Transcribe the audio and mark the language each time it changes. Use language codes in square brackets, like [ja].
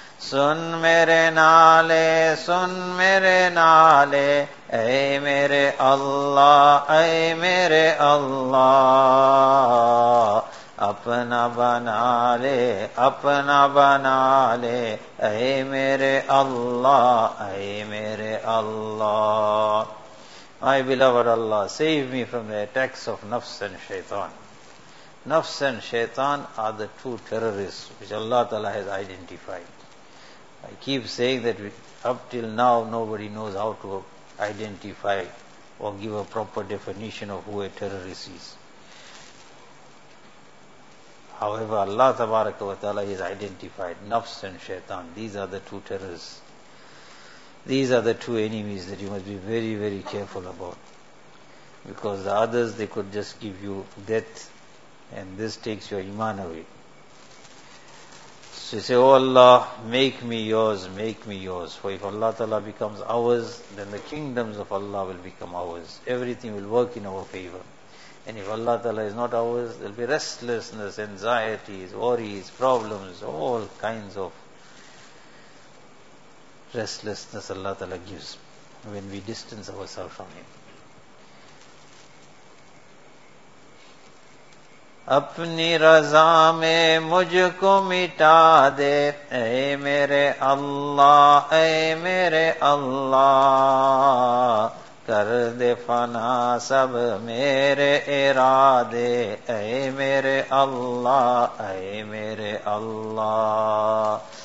[ur] سن میرے نالے سن میرے نالے اے میرے اللہ اے میرے اللہ اپنا بنا لے اپنا بنا لے اے میرے اللہ اے میرے اللہ [en] My beloved Allah, save me from the attacks of nafs and shaitan. Nafs and shaitan are the two terrorists which Allah Ta'ala has identified. I keep saying that up till now nobody knows how to identify or give a proper definition of who a terrorist is. However, Allah Tabaraka wa Ta'ala has identified nafs and shaitan. These are the two terrorists. These are the two enemies that you must be very, very careful about. Because the others, they could just give you death and this takes your iman away. She says, "Oh Allah, make me yours. For if Allah Ta'ala becomes ours, then the kingdoms of Allah will become ours. Everything will work in our favor. And if Allah Ta'ala is not ours, there will be restlessness, anxieties, worries, problems, all kinds of restlessness Allah Ta'ala gives when we distance ourselves from Him. [ur] اپنی رضا میں مجھ کو مٹا دے اے میرے اللہ اے میرے اللہ کر دے فنا سب میرے ارادے اے میرے اللہ اے میرے اللہ